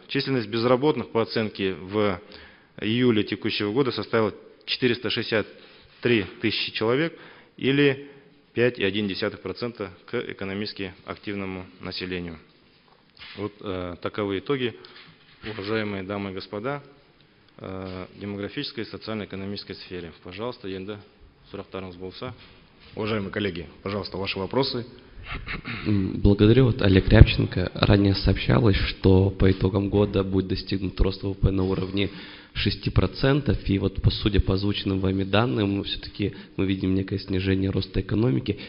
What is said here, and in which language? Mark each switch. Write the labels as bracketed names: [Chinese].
[Russian] Численность безработных по оценке в июле текущего года составила 463 тысячи человек или 5,1% к экономически активному населению. Вот таковы итоги, уважаемые дамы и господа, демографической и социально-экономической сфере. [Kazakh] Пожалуйста, енді сұрақтарыңыз болса. [Russian] Уважаемые коллеги, пожалуйста, ваши вопросы. Благодарю. Вот Олег Рябченко ранее сообщалось, что по итогам года будет достигнут рост ВВП на уровне 6%. И вот по сути, по озвученным вами данным, все-таки мы видим некое снижение роста экономики.